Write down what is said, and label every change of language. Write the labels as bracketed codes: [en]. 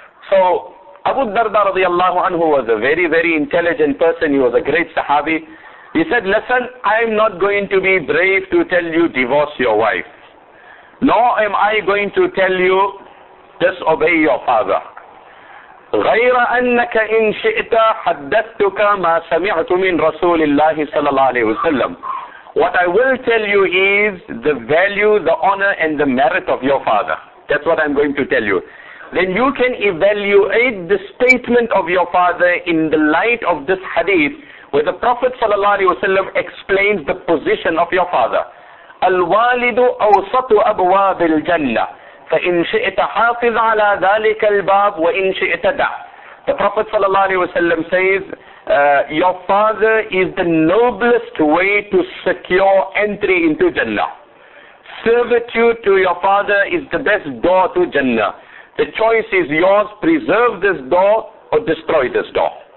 [en] So Abu Darda radiallahu anhu was a very, very intelligent person. He was a great sahabi. He said, "Listen, I'm not going to be brave to tell you divorce your wife. Nor am I going to tell you disobey your father. [ar] غير أنك إن شئت حدثتك ما سمعت من رسول الله صلى الله عليه وسلم. [en] What I will tell you is the value, the honor, and the merit of your father. That's what I'm going to tell you. Then you can evaluate the statement of your father in the light of this hadith, where the Prophet sallallahu alaihi wasallam explains the position of your father. [ar] الوالد أوسط أبواب الجنة فإن شئت حافظ على ذلك الباب وإن شئت دع. [en] The Prophet sallallahu alaihi wasallam says, your father is the noblest way to secure entry into Jannah. Servitude to your father is the best door to Jannah. The choice is yours, preserve this door or destroy this door.